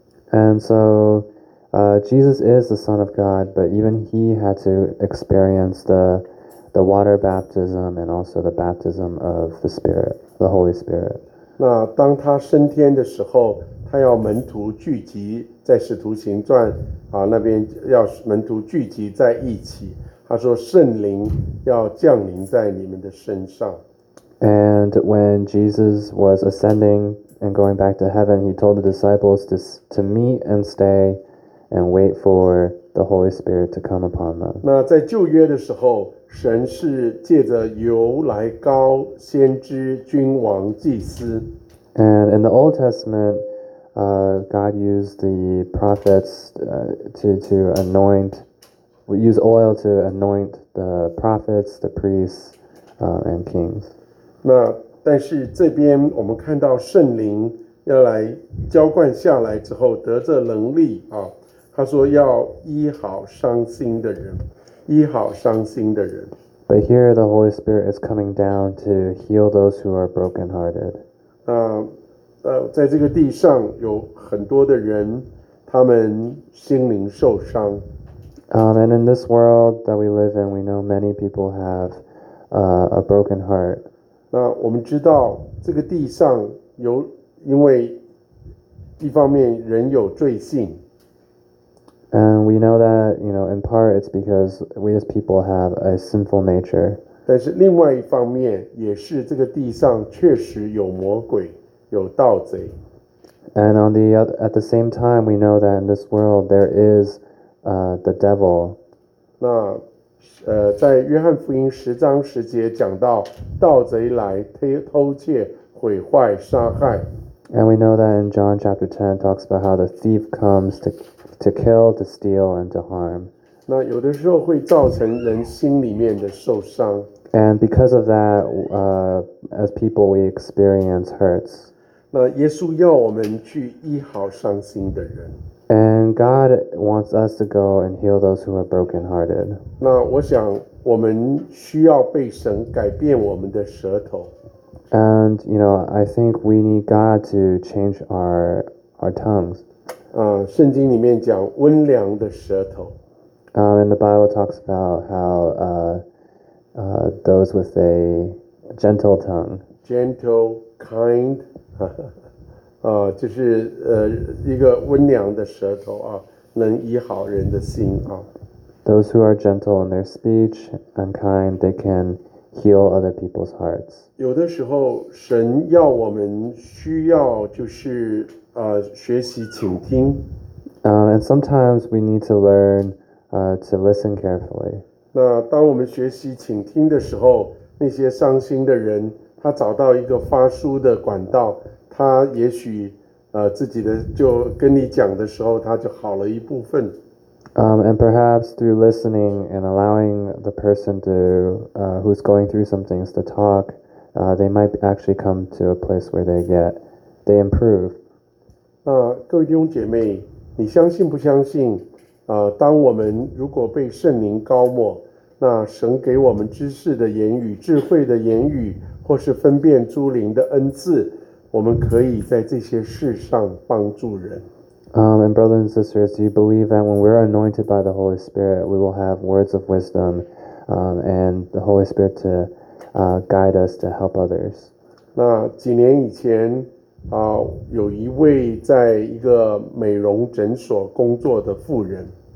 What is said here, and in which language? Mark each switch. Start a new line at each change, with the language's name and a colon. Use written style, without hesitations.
English: And so, Jesus is the Son of God, but even he had to experience the water baptism and also the baptism of the Spirit, the Holy Spirit.
Chinese: 那当他升天的时候，他要门徒聚集在使徒行传啊那边，要门徒聚集在一起。他说圣灵要降临在你们的身上。
English: And when Jesus was ascending and going back to heaven, he told the disciples to meet and stay and wait for the Holy Spirit to come upon them.
Chinese: 那在旧约的时候，神是借着犹来高先知、君王、祭司。
English: And in the Old Testament, God used the prophets to anoint, we use oil to anoint the prophets, the priests, and kings.
Chinese: 那但是这边我们看到圣灵要来浇灌下来之后得着能力啊，他说要医好伤心的人，医好伤心的人。
English: But here the Holy Spirit is coming down to heal those who are brokenhearted.
Chinese: 在这个地上有很多的人，他们心灵受伤。
English: And in this world that we live in, we know many people have a broken heart.
Chinese: 那我们知道这个地上有，因为一方面人有罪性。
English: And we know that, you know, in part it's because we as people have a sinful nature.
Chinese: 但是另外一方面也是这个地上确实有魔鬼，有盗贼。
English: And at the same time, we know that in this world there is the devil.
Chinese: 那在约翰福音十章十节讲到盗贼来偷窃、毁坏、杀害。
English: And we know that in John chapter 10 talks about how the thief comes to kill, to steal, and to harm.
Chinese: 那有的时候会造成人心里面的受伤。
English: And because of that, as people, we experience hurts.
Chinese: 那耶稣要我们去医好伤心的人。
English: And God wants us to go and heal those who are brokenhearted.
Chinese: 那我想我们需要被神改变我们的舌头。
English: And, you know, I think we need God to change our tongues.
Chinese: 圣经里面讲温良的舌头。
English: And the Bible talks about how those with a gentle tongue. Gentle, kind,
Chinese: 就是一个温良的舌头啊，能医好人的心啊。
English: Those who are gentle in their speech and kind, they can heal other people's hearts.
Chinese: 有的时候神要我们需要就是学习倾听。
English: And sometimes we need to learn to listen carefully.
Chinese: 那当我们学习倾听的时候，那些伤心的人，他找到一个发抒的管道，他也许自己的就跟你讲的时候，他就好了一部分。
English: And perhaps through listening and allowing the person to who's going through some things to talk, they might actually come to a place where they improve.
Chinese: 各位弟兄姐妹，你相信不相信？当我们如果被圣灵膏抹，那神给我们知识的言语、智慧的言语，或是分辨诸灵的恩赐，我们可以在这些事上帮助人。
English: And brothers and sisters, do you believe that when we're anointed by the Holy Spirit, we will have words of wisdom, and the Holy Spirit to guide us to help others?
Chinese: 那几年以前，有一位在一个美容诊所工作的妇人。